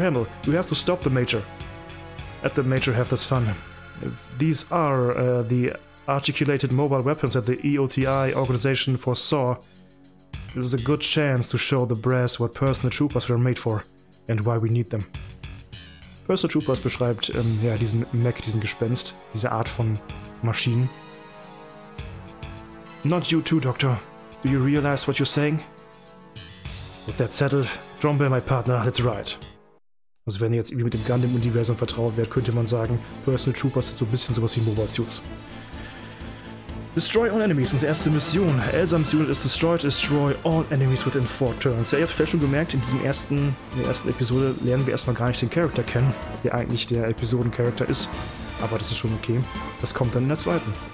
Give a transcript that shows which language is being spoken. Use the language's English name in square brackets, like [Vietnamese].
[English] Hamill, you have to stop the Major. Let the Major have this fun. These are the articulated mobile weapons that the EOTI organization foresaw. This is a good chance to show the brass what personal troopers were made for and why we need them. [German] Personal Troopers beschreibt diesen Mech, diesen Gespenst, diese Art von Maschinen. [English] Not you too, Doctor. Do you realize what you're saying? With that settled, Trombe, my partner, let's ride. [German] Also wenn ihr jetzt irgendwie mit dem Gundam-Universum vertraut wärt, könnte man sagen, Personal Troopers sind so ein bisschen sowas wie Mobile Suits. [English] Destroy all enemies, [German] unsere erste Mission. [English] Elzam's unit is destroyed, destroy all enemies within 4 turns. [German] Ja, ihr habt vielleicht schon gemerkt, in der ersten Episode lernen wir erstmal gar nicht den Charakter kennen, der eigentlich der Episoden-Charakter ist. Aber das ist schon okay. Das kommt dann in der zweiten.